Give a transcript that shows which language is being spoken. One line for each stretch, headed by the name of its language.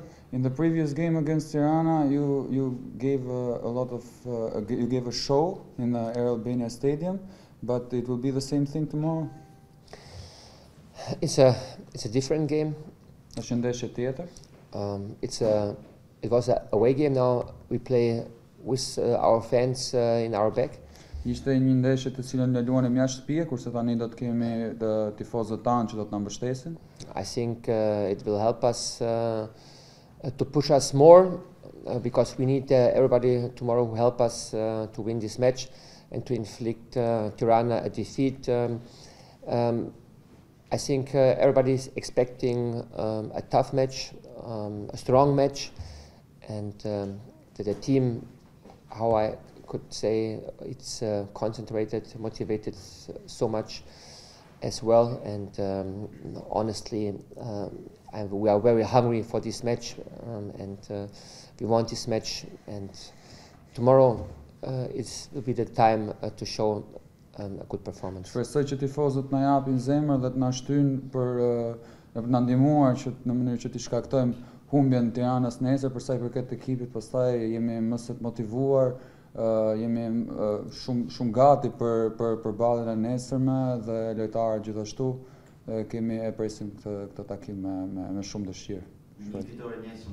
English: In the previous game against Tirana, you gave a lot of you gave a show in the Air Albania Stadium, but it will be the same thing tomorrow. It's a different game. It was a away game. Now we play with our fans in our back.
Albanian: Ishte një ndeshje të cilën ne luanim jashtë shtëpie, kurse tani do të kemi të tifozët tanë që do të na mbështesin.
English: I think it will help us to push us more because we need everybody tomorrow who help us to win this match and to inflict Tirana a defeat. I think everybody is expecting a tough match, a strong match, and that the team, how I could say it's concentrated, motivated so much as well. And honestly, we are very hungry for this match, and we want this match. And tomorrow it will be the time to show a good performance.
Albanian: Shpresoj që tifozët na japin zemër dhe të na shtyjnë për na ndihmuar që në mënyrë që të shkaktojmë humbjen e Tiranës nesër, për sa I përket ekipit, pastaj jemi më së motivuar. Jemi shumë gati për përballjen e nesërme dhe lojtarët gjithashtu kemi e presim këtë takim me shumë dëshirë.